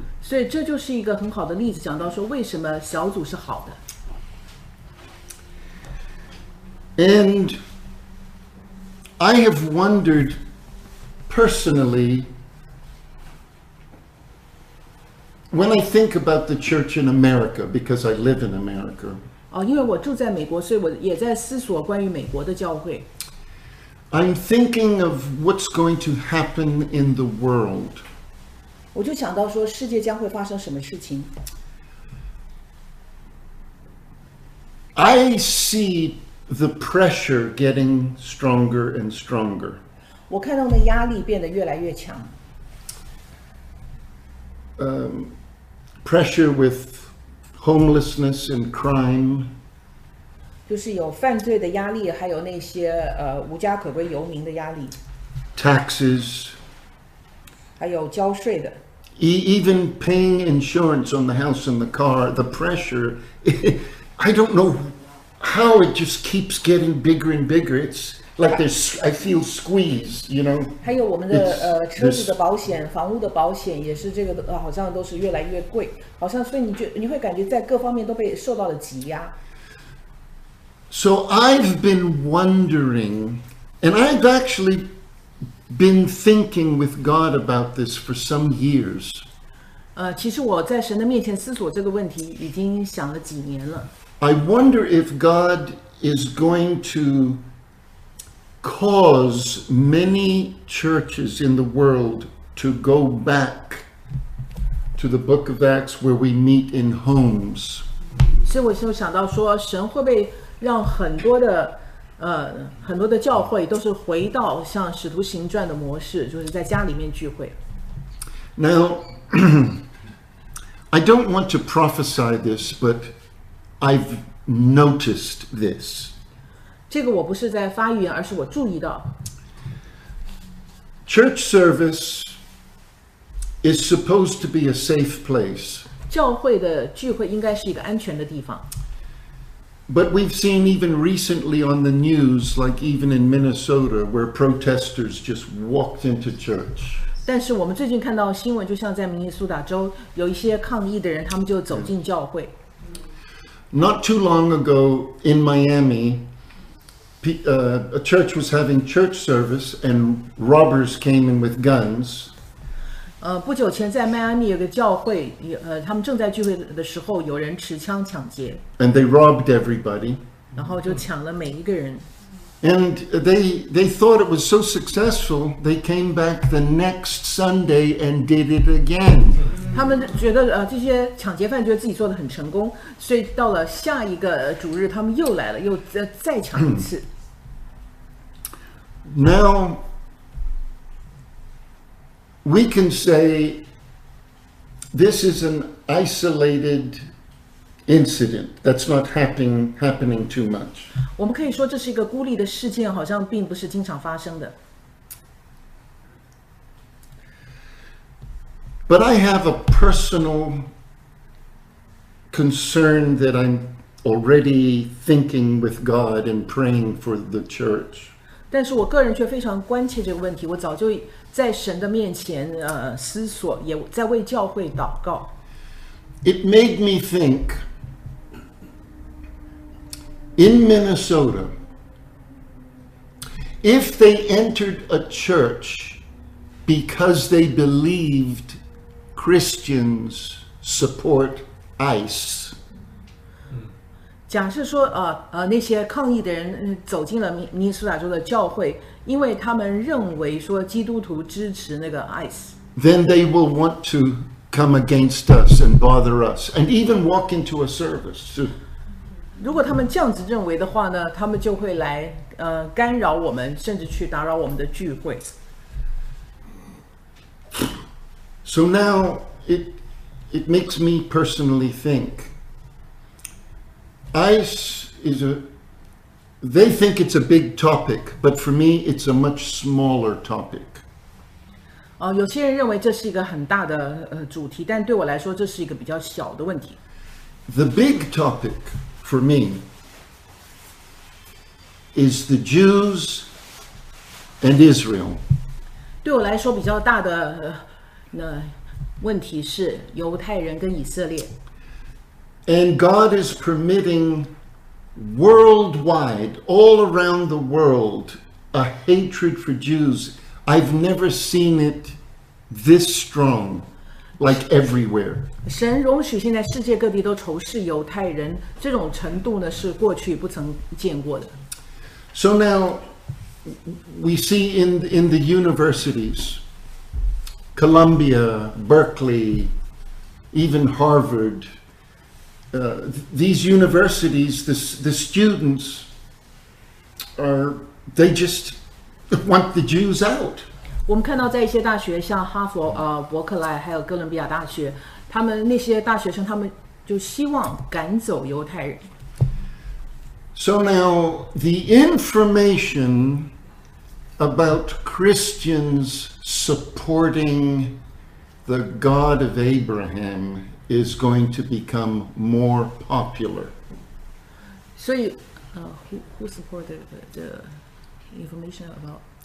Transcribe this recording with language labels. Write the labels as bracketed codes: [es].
[zh] 所以这就是一个很好的例子，讲到说为什么小组是好的。 [en] And I have wondered personally when I think about the church in America, because I live in America. [zh] 因为我住在美国，所以我也在思索关于美国的教会。 [en] I'm thinking of what's going to happen in the world. [zh] 我就想到说世界将会发生什么事情。 [en] I see the pressure getting stronger and stronger. [zh] 我看到那压力变得越来越强。 [en] Pressure with homelessness and crime. [zh] 就是有犯罪的压力，还有那些无家可归游民的压力。 [en] Taxes. [zh] 还有交税的。 [en] Even paying insurance on the house and the car, the pressure. I don't know how it just keeps getting bigger and bigger. It's like there's, I feel squeezed, you know. [zh] 还有我们的车子的保险，房屋的保险也是这个，好像都是越来越贵，好像所以你会感觉在各方面都被受到了挤压。 [en] So I've been wondering, and I've actually been thinking with God about this for some years. [zh] 其实我在神的面前思索这个问题已经想了几年了。 [en] I wonder if God is going to cause many churches in the world to go back to the book of Acts where we meet in homes. [zh] 所以我就想到说神会不会让很多的教会都是回到像使徒行传的模式，就是在家里面聚会。 [en] Now, I don't want to prophesy this, but I've noticed this. [zh] 这个我不是在发言，而是我注意到。 [en] Church service is supposed to be a safe place. [zh] 教会的聚会应该是一个安全的地方。 [en] But we've seen even recently on the news, like even in Minnesota, where protesters just walked into church. [zh] 但是我们最近看到新闻，就像在明尼苏达州，有一些抗议的人，他们就走进教会。 [en] Not too long ago in Miami, a church was having church service and robbers came in with guns. [zh] 不久前在迈阿密有个教会，他们正在聚会的时候，有人持枪抢劫。 [en] And they robbed everybody. [zh] 然后就抢了每一个人。 [en] And they thought it was so successful, they came back the next Sunday and did it again. [zh] 他们觉得这些抢劫犯觉得自己做得很成功，所以到了下一个主日，他们又来了，又再抢一次。 [en] Now, we can say this is an isolated incident that's not happening too much. [zh] 我们可以说这是一个孤立的事件，好像并不是经常发生的。 [en] But I have a personal concern that I'm already thinking with God and praying for the church. [zh] 但是我个人却非常关切这个问题，我早就在神的面前思索，也在为教会祷告。 [en] It made me think, in Minnesota, if they entered a church because they believed Christians support ICE. [zh] 假设说那些抗议的人走进了明尼苏达州的教会，因为他们认为说基督徒支持那个 ICE， [en] then they will want to come against us and bother us and even walk into a service too。 [zh] 如果他们这样子认为的话呢，他们就会来干扰我们，甚至去打扰我们的聚会。 [en] So now it makes me personally think. ICE is a, they think it's a big topic, but for me it's a much smaller topic. [zh] 有些人认为这是一个很大的主题，但对我来说这是一个比较小的问题。 [en] The big topic for me is the Jews and Israel. [zh] 对我来说比较大的那问题是犹太人跟以色列。 [en] And God is permitting worldwide, all around the world, a hatred for Jews. I've never seen it this strong, like everywhere. [zh] 神容许现在世界各地都仇视犹太人，这种程度呢是过去不曾见过的。 [en] So now, we see in the universities, Columbia, Berkeley, even Harvard, these universities, the students are, they just want the Jews out. [zh] 我们看到在一些大学，像哈佛、伯克莱，还有哥伦比亚大学，他们那些大学生，他们就希望赶走犹太人。 [en] So now, the information about Christians supporting the God of Abraham is going to become more popular. So, who supported the information about?